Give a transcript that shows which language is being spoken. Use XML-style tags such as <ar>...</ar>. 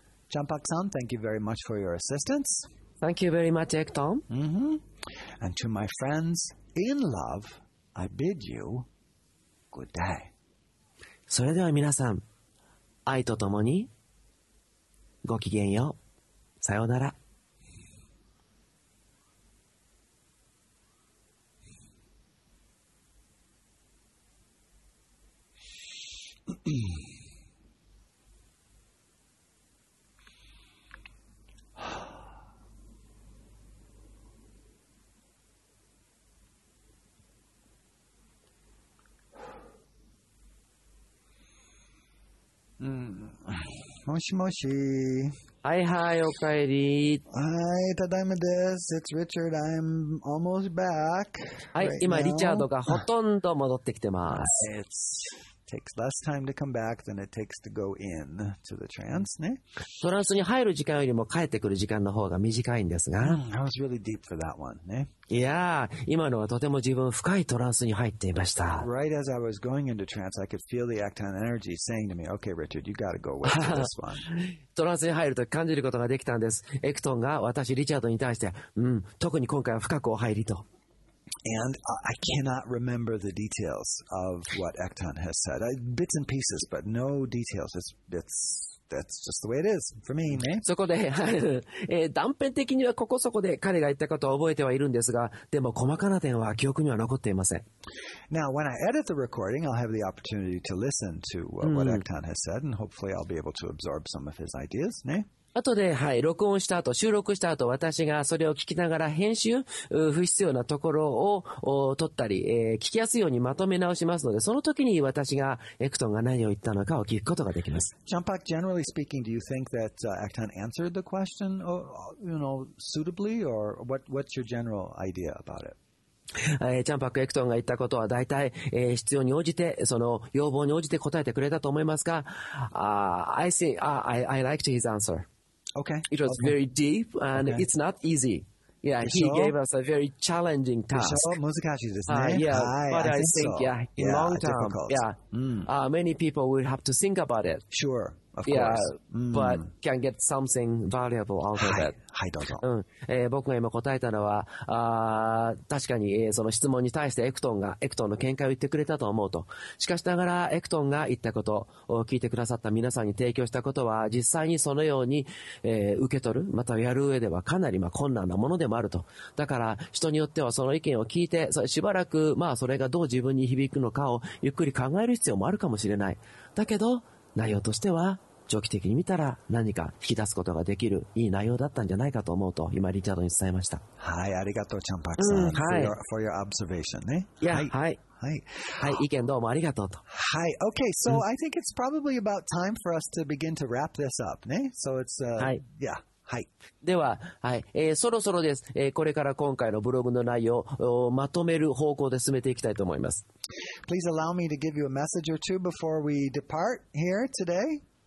<en>ジャンパクさん、thank you very much for your assistance. Thank you very much, Ekton. And to my friends in love, I bid you good day.</en> <ja>それでは皆さん、愛とともに、ごきげんよう。さようなら。もしもし。はいはい、おかえり。はい、ただいまです。</ja> <en>It's Richard. I'm almost back.</en> <ja>はい、今、リチャードがほとんど戻ってきてます。</ja> <en>It's... takes less time to come back than it takes to go in to the trance, ね。</en> <ja>トランスに入る時間よりも帰ってくる時間の方が短いんですが。</ja> <en>I was really deep for that one, ね。</en> <ja>いやー、今のはとても自分深いトランスに入っていました。</ja> <en>Right as I was going into trance, I could feel the Acton energy saying to me, "Okay, Richard, you gotta go away to this one."</en> <ja>トランスに入ると感じることができたんです。エクトンが私リチャードに対して、うん、特に今回は深くお入りと。</ja> <en>And I cannot remember the details of what Ekton has said. Bits and pieces, but no details. That's just the way it is for me, man.</en> <ja>そこで断片的にはここそこで彼が言ったことを覚えてはいるんですが、でも細かな点は記憶には残っていません。</ja> <en>Now, when I edit the recording, I'll have the opportunity to listen to what Ekton has said, and hopefully, I'll be able to absorb some of his ideas, man.</en> <ja>後で、はい、録音した後、収録した後、私がそれを聞きながら編集、不必要なところを取ったり、聞きやすいようにまとめ直しますので、その時に私が、エクトンが何を言ったのかを聞くことができます。</ja> <en>ジャンパク、generally speaking, do you think that Ekton answered the question, you know, suitably, or what's your general idea about it?</en> <ja>ジャンパク・エクトンが言ったことは大体、必要に応じてその要望に応じて答えてくれたと思いますか、</ja> <en>I think, I liked his answer. Okay. It was very deep and it's not easy. Yeah, he gave us a very challenging task.</en> <ja>難しいですね。</ja> <en>But I think, yeah, in long term, yeah, many people will have to think about it. Sure. Of course. Yeah, but can get something valuable out of that.</en> <ja>はい、どうぞ。うん、僕が今答えたのは、確かに、その質問に対してエクトンの見解を言ってくれたと思うと。しかしながら、エクトンが言ったことを聞いてくださった皆さんに提供したことは、実際にそのように、受け取る、またやる上ではかなり、まあ、困難なものでもあると。だから、人によってはその意見を聞いて、それしばらく、まあ、それがどう自分に響くのかをゆっくり考える必要もあるかもしれない。だけど、内容としては長期的に見たら何か引き出すことができるいい内容だったんじゃないかと思うと今リチャードに伝えました。はい、ありがとうチャンパクさん、うん、はい、</ja> <en>for your observation ね。</en> <ja>いや、はいはいはい、はい、意見どうもありがとうと。</ja> <en>はい、 okay, so I think it's probably about time for us to begin to wrap this up ね。 so it's</en> <ja>はい、</ja> <en>yeah. はい、</en> <ja>では、はい、そろそろです、これから今回のブログの内容をまとめる方向で進めていきたいと思います。</ja> <en>Please allow me to give you a message or two before we depart here today.</en>